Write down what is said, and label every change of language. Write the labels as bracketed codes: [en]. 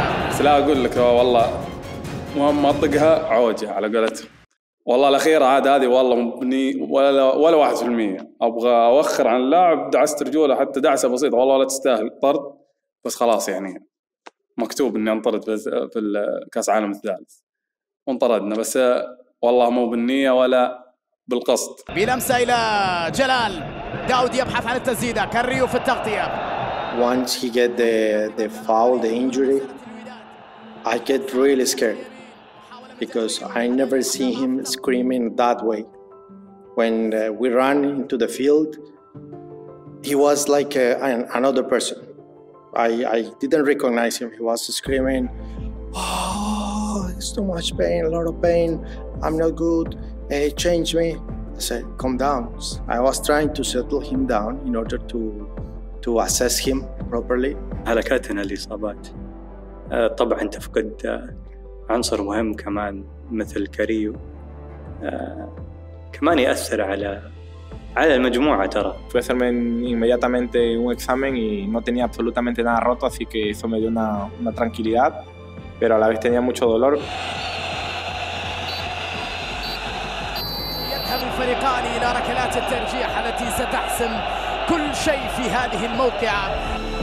[ar] بس لا أقول لك والله مهم ما أطقها عوجة على قولته والله الأخيرة عاد هذه والله مبني ولا 1% أبغى أوخر عن اللاعب دعست رجوله حتى دعسة بسيطة والله لا تستاهل طرد بس خلاص يعني مكتوب اني انطرد في الكاس عالم الثالث وانطردنا، بس والله مو بالنية ولا بالقصد. بلمسة الى جلال، داود يبحث عن التسديدة، كاريو في التغطية. [en] Once he get the foul, the injury, I get really scared because I never see him screaming that way. When we run into the field, he was like another person. I didn't recognize him. He was screaming, "Oh, it's too much pain, a lot of pain. I'm not good. Hey, change me." I said, "Calm down." I was trying to settle him down in order to assess him properly. [ar] حركاتنا الإصابات طبعا تفقد عنصر مهم كمان مثل كاريو، كمان يأثر على المجموعة ترى. [es] Fui a hacerme inmediatamente un examen y no tenía absolutamente nada roto, así que eso me dio una tranquilidad, pero a la vez tenía mucho dolor. [ar] يذهب الفريقان إلى ركلات الترجيح التي ستحسم كل شيء في هذه الموقعة.